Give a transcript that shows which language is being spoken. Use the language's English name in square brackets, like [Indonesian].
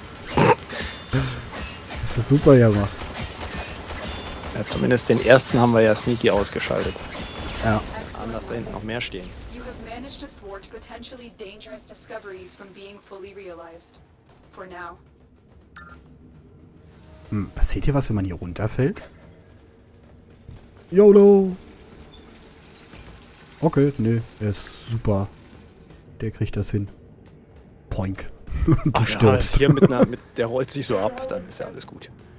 [German] Das ist super, Jama. Ja, zumindest den ersten haben wir ja sneaky ausgeschaltet. Ja. Dass da hinten noch mehr stehen. [English] You have managed to thwart potentially dangerous discoveries from being fully realized. For now. [German] Hm, passiert hier was, wenn man hier runterfällt? [English] YOLO! [German] Okay, nö, er ist super. Der kriegt das hin. Poink. Du ach stirbst. Ja, hier mit einer, mit, der rollt sich so ab, dann ist ja alles gut.